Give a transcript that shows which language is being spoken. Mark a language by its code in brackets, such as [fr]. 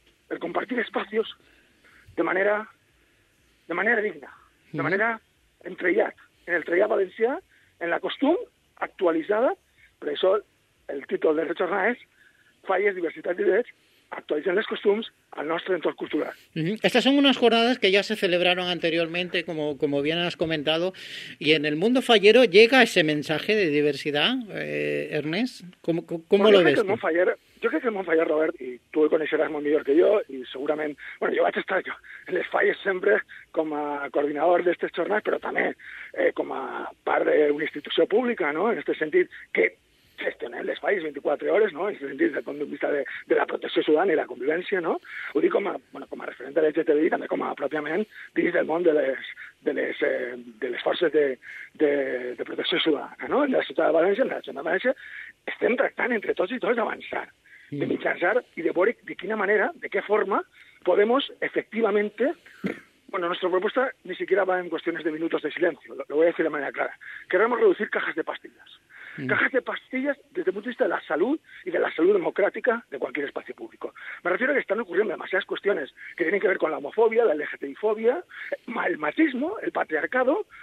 [ca] el compartir espacios de manera digna, de manera entrellat, en el trellat valencià, en la costum actualitzada, per això el títol de retorna és Falles, diversitat i drets, actualitzant les costums al nostre entorn cultural. [es] Estas son unas jornadas que ya se celebraron anteriormente, como bien has comentado, y en el mundo fallero llega ese mensaje de diversidad, Ernest, ¿cómo lo ves? [ca] Jo crec que el món faller, Robert, i tu el coneixeràs molt millor que jo, i segurament, bueno, jo vaig estar jo en les falles sempre com a coordinador d'aquestes jornades, però també com a part d'una institució pública, no?, en aquest sentit, que gestionem les falles 24 hores, no?, en aquest sentit, del punt de vista de la protecció ciutadana i la convivència, no? Ho dic com a referent de l'LGTBI, també com a pròpiament dins del món de les forces de protecció ciutadana, no?, en la ciutat de València, en la ciutat de València, estem tractant entre tots i tots d'avançar, de mitjançar i de veure de quina manera, de què forma, podem efectivament... [es] Bueno, nuestra propuesta ni siquiera va en cuestiones de minutos de silencio, lo voy a decir de manera clara. Queremos reducir cajas de pastillas. Cajas de pastillas desde el punto de vista de la salud y de la salud democrática de cualquier espacio público. Me refiero a que están ocurriendo demasiadas cuestiones que tienen que ver con la homofobia, la LGTBI-fobia, el machismo, el patriarcado.